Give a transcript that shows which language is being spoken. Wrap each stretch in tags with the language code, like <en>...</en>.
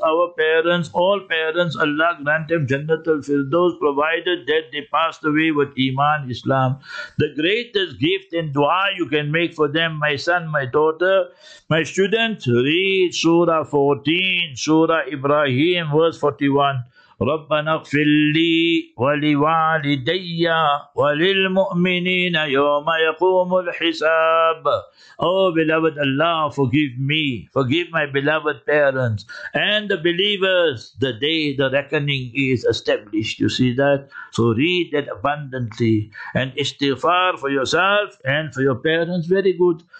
<en>Our parents, all parents, Allah grant them Jannatul Firdaus, provided that they passed away with Iman, Islam. The greatest gift and dua you can make for them, my son, my daughter, my student, read Surah 14, Surah Ibrahim, verse 41.</en> <ar>ربنا اغفر لي ولوالدي وللمؤمنين يوم يقوم الحساب.</ar> <en>Oh beloved Allah, forgive me, forgive my beloved parents and the believers the day the reckoning is established. You see that? So read that abundantly and istighfar for yourself and for your parents. Very good.</en>